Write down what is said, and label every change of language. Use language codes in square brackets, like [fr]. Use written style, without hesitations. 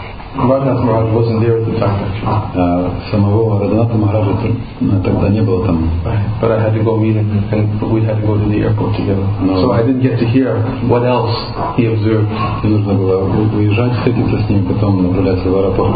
[en] Radhanath Maharaj wasn't there at the time, actually. [ru] Самого Радханатха Махараджа тогда не было там. [en] But I had to go meet him, and we had to go to the airport together. No. So I didn't get to hear what else he observed. [ru] Мне нужно было уезжать, встретиться с ним, потом направляться в аэропорт.